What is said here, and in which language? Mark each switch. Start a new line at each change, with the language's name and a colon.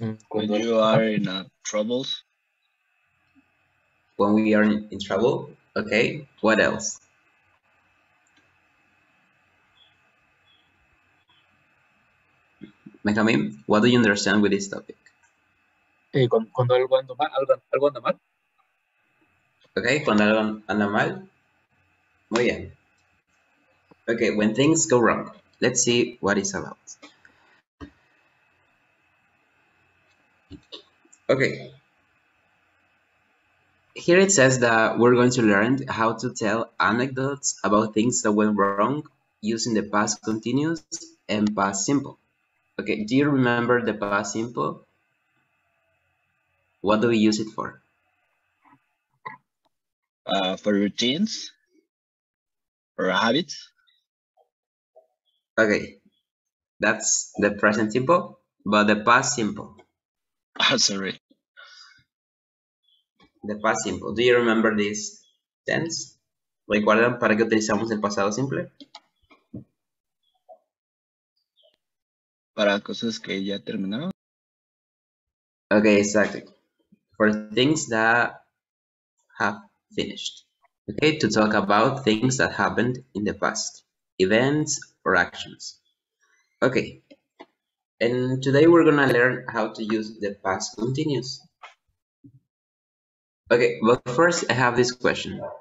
English: When you are in troubles. When we are in trouble, okay. What else? Benjamin, what do you understand with this topic?
Spanish: Cuando algo anda mal. Okay, cuando algo anda mal. Muy bien.
English: Okay, when things go wrong. Let's see what it's about. Okay, here it says that we're going to learn how to tell anecdotes about things that went wrong using the past continuous and past simple. Okay, do you remember the past simple? What do we use it for? For routines, for habits. Okay, that's the present simple, but the past simple. Sorry. The past simple. Do you remember this tense?
Spanish: ¿Recuerdan para qué utilizamos el pasado simple? Para cosas que ya terminaron.
English: Okay, exactly. For things that have finished. Okay, to talk about things that happened in the past. Events or actions. Okay. And today we're gonna learn how to use the past continuous. Okay, but first I have this question.